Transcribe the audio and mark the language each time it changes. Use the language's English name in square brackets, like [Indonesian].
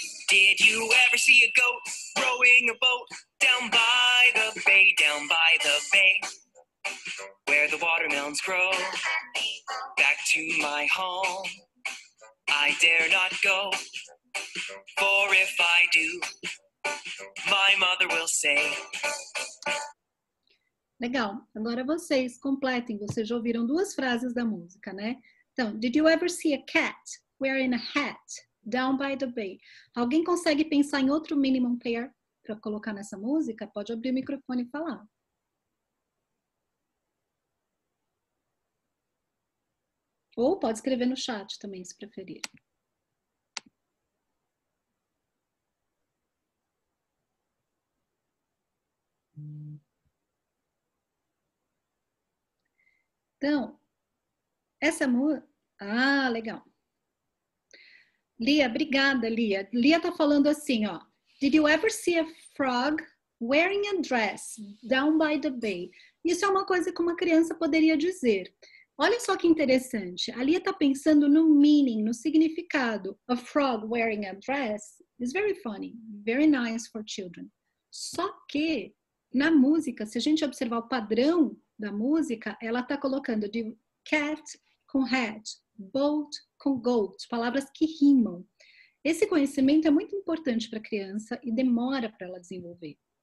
[English] did you ever see a goat rowing a boat down by the bay, down by the bay, where the watermelons grow, back to my home, I dare not go, for if I do, my mother will say. [Portuguese] Legal, agora vocês completem, vocês já ouviram duas frases da música, né? [English] Então, did you ever see a cat wearing a hat down by the bay? [Portuguese] Alguém consegue pensar em outro minimum pair para colocar nessa música? Pode abrir o microfone e falar. Ou pode escrever no chat também, se preferir. Então, essa música. Ah, legal. Lia, obrigada, Lia. Lia tá falando assim, ó. [English] Did you ever see a frog wearing a dress down by the bay? [Portuguese] Isso é uma coisa que uma criança poderia dizer. Olha só que interessante. A Lia tá pensando no meaning, no significado. [English] A frog wearing a dress is very funny, very nice for children. [Portuguese] Só que, na música, se a gente observar o padrão da música, ela tá colocando de cat com hat, boat com goat, palavras que rimam. Esse conhecimento é muito importante para a criança e demora para ela desenvolver.